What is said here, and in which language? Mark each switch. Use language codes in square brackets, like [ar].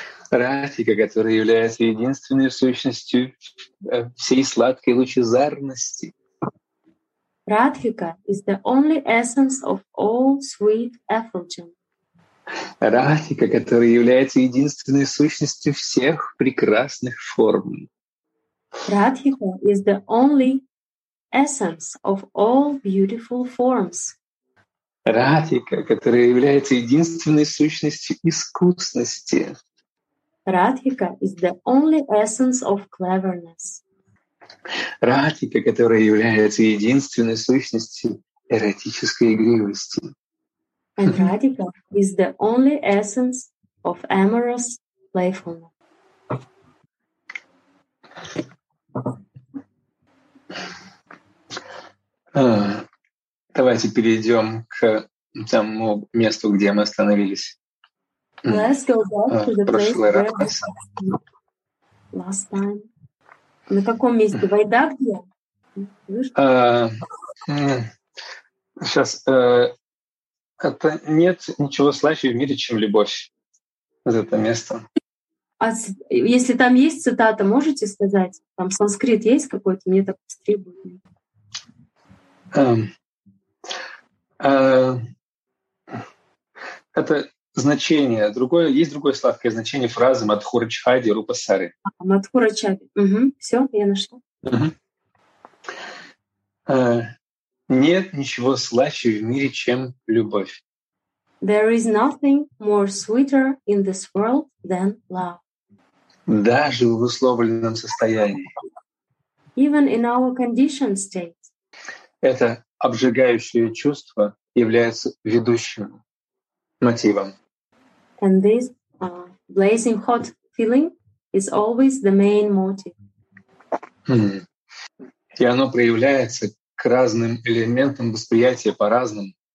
[ru] Радхика, которая является единственной сущностью всей сладкой лучезарности. [en] Радхика is the only essence of all sweet effulgence. [ru] Радхика, которая является единственной сущностью всех прекрасных форм. [en] Радхика is the only essence of all beautiful forms. [ru] Радхика, которая является единственной сущностью искусности. [en] Радхика is the only essence of cleverness. [ru] Радхика, которая является единственной сущностью эротической игривости. [en] And Радхика is the only essence of amorous playfulness. [ru] Давайте перейдем к тому месту, где мы остановились. [en] Let's go back to the place last time. [ru] На каком месте? Вайда где? Сейчас. Это нет ничего слаще в мире, чем любовь. Вот это место. А если там есть цитата, можете сказать? Там санскрит есть какой-то? Мне так требует. Это значение. Другое, есть другое сладкое значение фразы Мадхура Чхади Рупа Сари. Мадхура Чхади. Угу. Все, я нашла. Нет ничего слаще в мире, чем любовь. [en] There is nothing more sweeter in this world than love. [ru] Даже в условленном состоянии. [en] even in our conditioned state. [ru] Это обжигающее чувство является ведущим мотивом. [en] And this blazing hot feeling is always the main motive. [ru] И оно проявляется к разным элементам восприятия по-разному.